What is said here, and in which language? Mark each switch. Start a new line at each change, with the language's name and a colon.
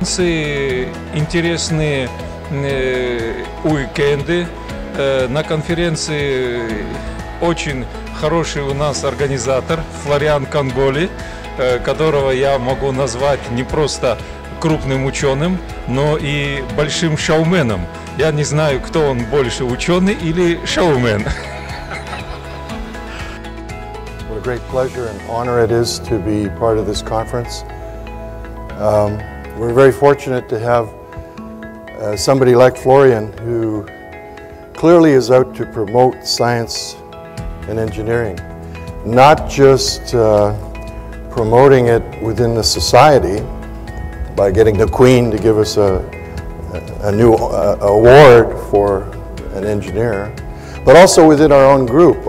Ukrainian: Це інтересні уікенди на конференції.
Russian: Очень хороший у нас організатор Флоріан Конголі, которого я могу назвать не просто крупным ученым, но и большим шоуменом. Я не знаю, кто он больше, ученый или шоумен.
English: What a great pleasure and honor it is to be part of this conference. We're very fortunate to have somebody like Florian, who clearly is out to promote science and engineering, not just promoting it within the society by getting the Queen to give us a new award for an engineer, but also within our own group.